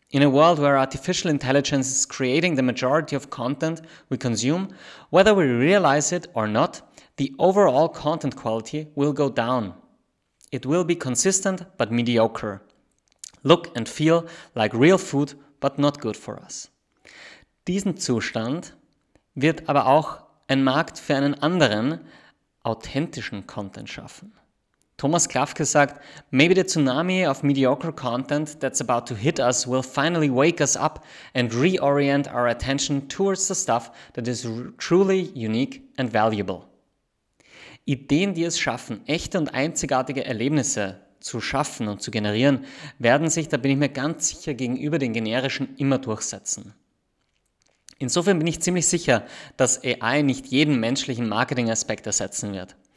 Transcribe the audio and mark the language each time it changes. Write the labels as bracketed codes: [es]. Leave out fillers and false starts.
[en] In a world where artificial intelligence is creating the majority of content we consume, whether we realize it or not, the overall content quality will go down. It will be consistent but mediocre. Look and feel like real food but not good for us. [de] Diesen Zustand wird aber auch ein Markt für einen anderen, authentischen Content schaffen. Thomas Klafke sagt, [en] maybe the tsunami of mediocre content that's about to hit us will finally wake us up and reorient our attention towards the stuff that is truly unique and valuable. [de] Ideen, die es schaffen, echte und einzigartige Erlebnisse zu schaffen und zu generieren, werden sich, da bin ich mir ganz sicher, gegenüber den generischen immer durchsetzen. Insofern bin ich ziemlich sicher, dass AI nicht jeden menschlichen Marketingaspekt ersetzen wird.